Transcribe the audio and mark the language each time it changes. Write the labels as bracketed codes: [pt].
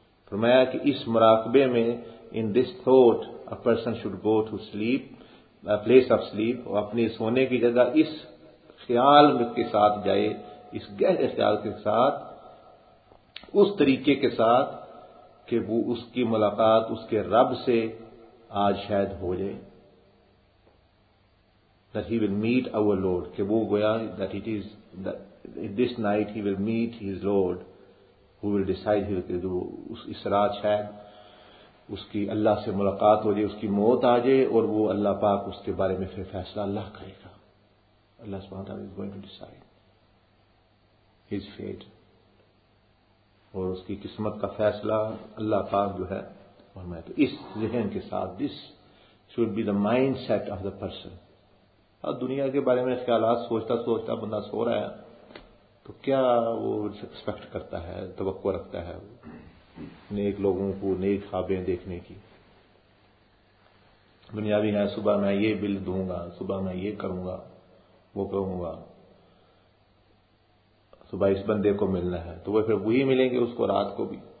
[ur] فرمایا کہ اس مراقبے میں [en] in this thought a person should go to sleep, a place of sleep, [ur] اور اپنی سونے کی جگہ اس خیال کے ساتھ جائے, اس گہرے خیال کے ساتھ, اس طریقے کے ساتھ کہ وہ اس کی ملاقات اس کے رب سے آج شاید ہو جائے. [en] That he will meet our Lord, [ur] کہ وہ گویا [en] that it is that this night he will meet his Lord who will decide his fate. [ur] اس رات شاید اس کی اللہ سے ملاقات ہو جائے, اس کی موت آ جائے اور وہ اللہ پاک اس کے بارے میں پھر فیصلہ اللہ کرے گا. [en] اللہ سبحانہ وتعالیٰ is going to decide his fate. [ur] اور اس کی قسمت کا فیصلہ اللہ پاک جو ہے فرمائے. تو اس ذہن کے ساتھ [en] This should be the mindset of the person. [ur] اب دنیا کے بارے میں خیالات سوچتا سوچتا بندہ سو رہا ہے تو کیا وہ ایکسپیکٹ کرتا ہے, توقع رکھتا ہے نیک لوگوں کو نیک خوابیں دیکھنے کی. دنیا بھی ہے, صبح میں یہ بل دوں گا, صبح میں یہ کروں گا, وہ کروں گا, صبح اس بندے کو ملنا ہے تو وہ پھر وہی ملیں گے اس کو رات کو بھی.